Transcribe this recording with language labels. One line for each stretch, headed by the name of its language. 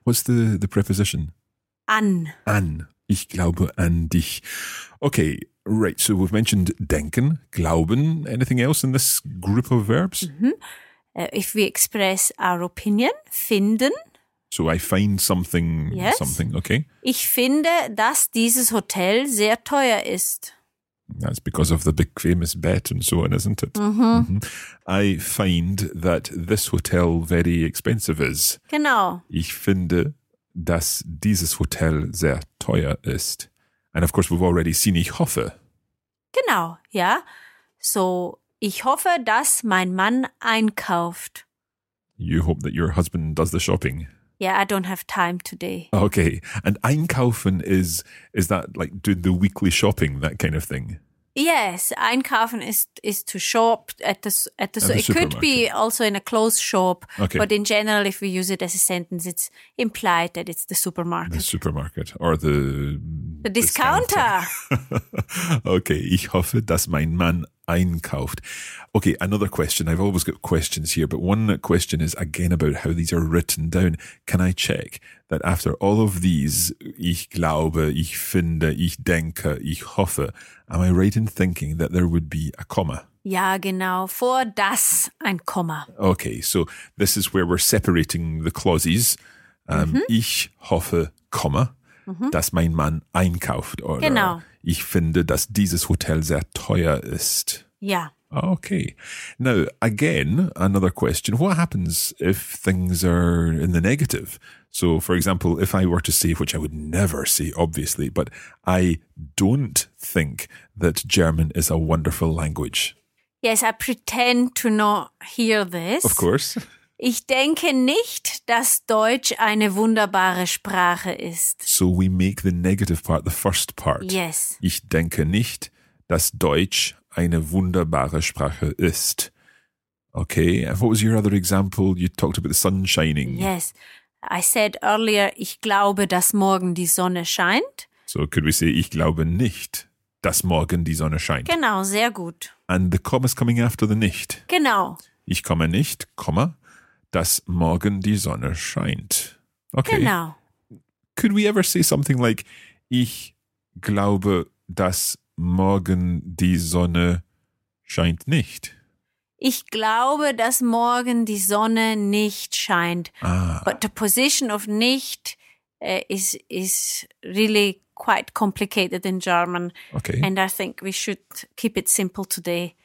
English: What's the preposition?
German: An. An, ich glaube an dich.
English: Okay, right, so we've mentioned denken, glauben, anything else in this group of verbs? Mm-hmm. If we express our opinion, finden. So I find something, yes. Something, okay.
German: Ich finde, dass dieses Hotel sehr teuer ist.
English: That's because of the big famous bet and so on, isn't it? Mm-hmm. Mm-hmm. I find that this hotel very expensive is.
German: Genau. Ich finde, dass dieses Hotel sehr teuer ist.
English: And of course, we've already seen
German: ich hoffe. Genau, ja. So, ich hoffe, dass mein Mann einkauft.
English: You hope that your husband does the shopping. Yeah, I don't have time today. Okay. And einkaufen is that like doing the weekly shopping, that kind of thing? Yes, einkaufen is to shop at the supermarket. It could be also in a clothes shop. Okay. But in general, if we use it as a sentence, it's implied that it's the supermarket. The supermarket or the... The discounter.
German: Okay, ich hoffe, dass mein Mann einkauft.
English: Okay, another question. I've always got questions here, but one question is again about how these are written down. Can I check that after all of these,
German: ich glaube, ich finde, ich denke, ich hoffe,
English: am I right in thinking that there would be a comma?
German: Ja, genau. Vor das ein Komma.
English: Okay, so this is where we're separating the clauses.
German: Ich hoffe, Komma. Dass mein Mann einkauft. Oder genau. Ich finde, dass dieses Hotel sehr teuer ist. Ja.
English: Okay. Now, again, another question. What happens if things are in the negative? So, for example, if I were to say, which I would never say, obviously, but I don't think that German is a wonderful language. Yes, I pretend to not hear this. Of course.
German: Ich denke nicht, dass Deutsch eine wunderbare Sprache ist.
English: So we make the negative part the first part. Yes.
German: Ich denke nicht, dass Deutsch eine wunderbare Sprache ist.
English: Okay, and what was your other example? You talked about the sun shining. Yes. I said earlier,
German: ich glaube, dass morgen die Sonne scheint.
English: So could we say,
German: ich glaube nicht, dass morgen die Sonne scheint. Genau, sehr gut.
English: And the comma is coming after the nicht.
German: Genau. Ich komme nicht, Komma. Dass morgen die Sonne scheint.
English: Okay.
German: Genau.
English: Could we ever say something like,
German: ich glaube, dass morgen die Sonne scheint nicht? Ich glaube, dass morgen die Sonne nicht scheint. Ah.
English: But the position of nicht is really quite complicated in German. Okay. And I think we should keep it simple today.